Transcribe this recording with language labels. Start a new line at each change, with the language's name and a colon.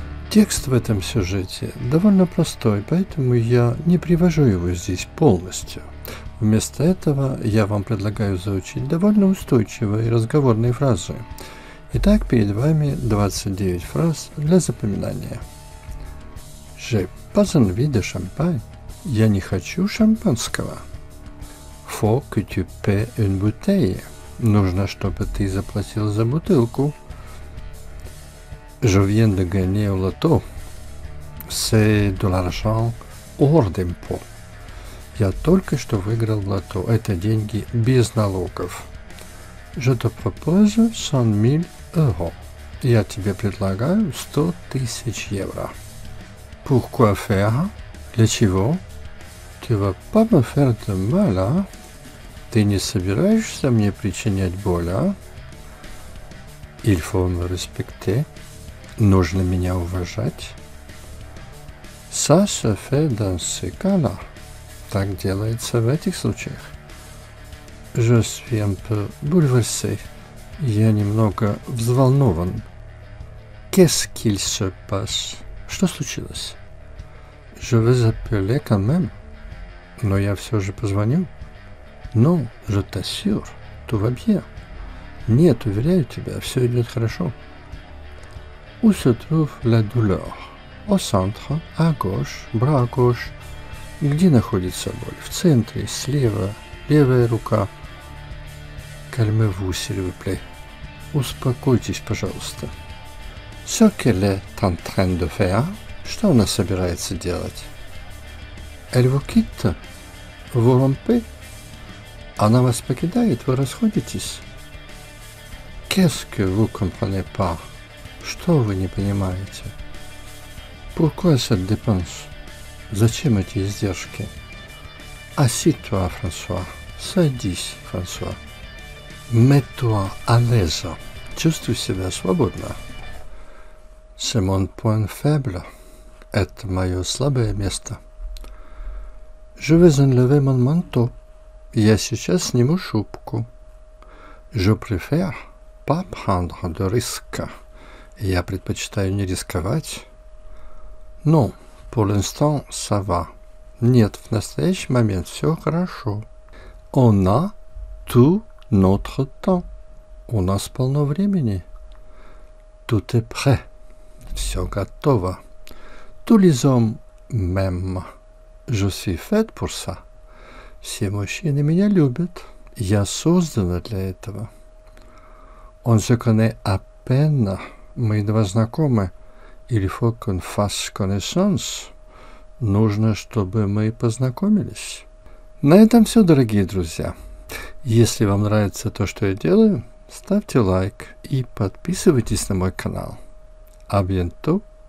Russian: Текст в этом сюжете довольно простой, поэтому я не привожу его здесь полностью. Вместо этого я вам предлагаю заучить довольно устойчивые разговорные фразы. Итак, перед вами 29 фраз для запоминания.
French: «Je pas envie de champagne» –
Russian: «Я не хочу шампанского».
French: «Faut que tu payes une bouteille» –
Russian: «Нужно, чтобы ты заплатил за бутылку».
French: «Je viens de gagner au loto» – «C'est de l'argent hors d'impôt» –
Russian: «Я только что выиграл в лото» – «Это деньги без налогов».
French: «Je te propose 100 000 euros»
Russian: – «Я тебе предлагаю 100 тысяч евро».
French: Pourquoi faire?
Russian: Для чего?
French: Tu vas pas me faire de mal, а?
Russian: Ты не собираешься мне причинять боль, а?
French: Il faut me respecter.
Russian: Нужно меня уважать.
French: Ça se fait dans ce cas-là.
Russian: Так делается в этих случаях.
French: Je suis un peu bouleversé.
Russian: Я немного взволнован.
French: Qu'est-ce qu'il se passe?
Russian: Что случилось?
French: Je vais appeler quand même.
Russian: Но я все же позвоню.
French: Non, je t'assure. Tout va bien.
Russian: Нет, уверяю тебя, все идет хорошо.
French: Où se trouve la douleur? Au centre, à gauche, bras à gauche.
Russian: Где находится боль? В центре, слева, левая рука.
French: Calmez-vous, s'il vous plaît.
Russian: Успокойтесь, пожалуйста.
French: Ce qu'elle est en train de faire...
Russian: Что она собирается делать?
French: Elle vous quitte? Vous rompez?
Russian: Она вас покидает, вы расходитесь?
French: Qu'est-ce que vous comprenez pas?
Russian: Что вы не понимаете?
French: Pourquoi cette dépense?
Russian: Зачем эти издержки?
French: Assieds-toi, François.
Russian: Садись, François.
French: Mets-toi à l'aise.
Russian: Чувствуй себя свободно.
French: C'est mon point faible.
Russian: Это мое слабое место.
French: Je vais enlever mon manteau.
Russian: Я сейчас сниму шубку.
French: Je préfère pas prendre de risque.
Russian: Я предпочитаю не рисковать.
French: Non, pour l'instant, ça va.
Russian: Нет, в настоящий момент все хорошо.
French: On a tout notre temps.
Russian: У нас полно времени.
French: Tout est prêt.
Russian: Все готово.
French: Tous les hommes m'aiment. Je suis faite pour ça.
Russian: Все мужчины меня любят. Я создана для этого.
French: On se connaît à peine.
Russian: Мы едва знакомы.
French: Il faut qu'on fasse connaissance.
Russian: Нужно, чтобы мы познакомились. На этом все, дорогие друзья. Если вам нравится то, что я делаю, ставьте лайк и подписывайтесь на мой канал.
French: À bientôt.